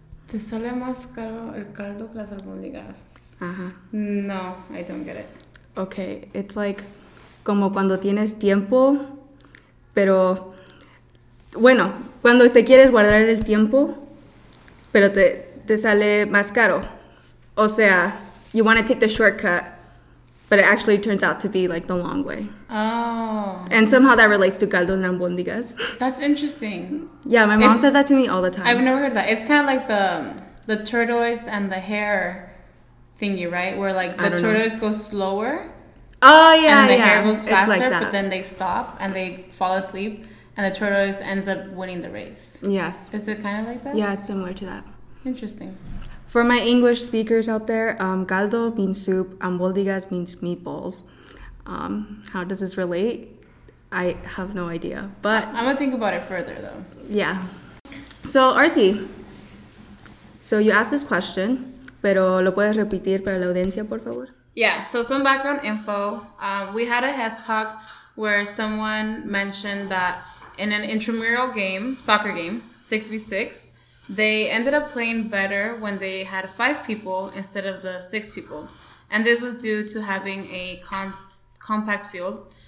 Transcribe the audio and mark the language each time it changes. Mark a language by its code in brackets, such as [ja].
[es] Te sale más caro el caldo que las albóndigas. Ajá. [en] No, I don't get it. Okay, it's like [es] como cuando tienes tiempo, pero bueno, cuando te quieres guardar el tiempo, pero te sale más caro. O sea, [en] you want to take the shortcut, but it actually turns out to be like the long way. Oh. And somehow that relates to caldo de albóndigas. That's interesting. Yeah, my mom says that to me all the time. I've never heard that. It's kind of like the tortoise and the hare thingy, right? Where like the tortoise goes slower. Oh, yeah, and the yeah. hare goes faster, like but then they stop and they fall asleep. And the tortoise ends up winning the race. Yes. Is it kind of like that? Yeah, it's similar to that. Interesting. For my English speakers out there, caldo means soup, albóndigas means meatballs. How does this relate? I have no idea, but I'm going to think about it further, though. Yeah. So, Arcy, so you asked this question, [es] pero lo puedes repetir para la audiencia, por favor? [en] Yeah, so some background info. We had a HES talk where someone mentioned that in an intramural game, soccer game, 6v6, they ended up playing better when they had five people instead of the six people. And this was due to having a compact field.